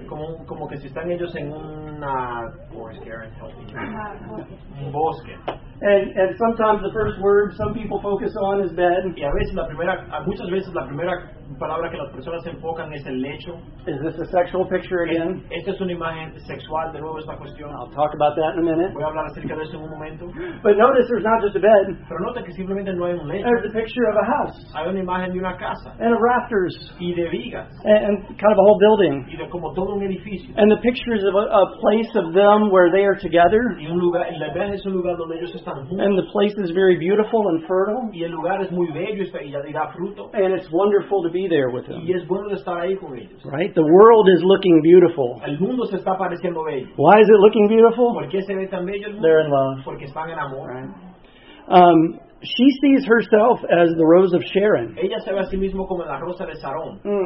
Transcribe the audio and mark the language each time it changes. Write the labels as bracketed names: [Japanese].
[Spanish] Como que si están ellos en una [English] forest, [Spanish] Karen, [English] help me. [Spanish] Un bosque. [English] And sometimes the first word some people focus on is bed. [Spanish] Y a veces la primera palabra que las personas enfocan es el lecho. [English] Is this a sexual picture again? [Spanish] Esta es una imagen sexual de nuevo esta cuestión. [English] I'll talk about that in a minute. [Spanish] Voy a hablar acerca de eso en un momento. [English] But notice there's not just a bed. [Spanish] Pero nota que simplemente no hay un lecho. [English] There's a picture of a house. [Spanish] Hay una imagen de una casa. [English] And of rafters. [Spanish] Y de vigas. [English] And kind of a whole building. [Spanish] Y de como todo un edificio. [English] And the picture is of a place of them where they are together. [Spanish] Y un lugar, la imagen es un lugar donde ellos están juntos. [English] And the place is very beautiful and fertile. [Spanish] Y el lugar es muy bello y da fruto. [English] And it's wonderful to be there with him. [Spanish] Y es bueno estar ahí con ellos. [English] Right? The world is looking beautiful. [Spanish] El mundo se está pareciendo bello. [English] Why is it looking beautiful? [Spanish] Porque se ve tan bello el mundo. [English] They're in love. [Spanish] Porque están en amor. [English] Right? She sees herself as the rose of Sharon. [Spanish] Ella se ve a sí mismo como la rosa de Sarón.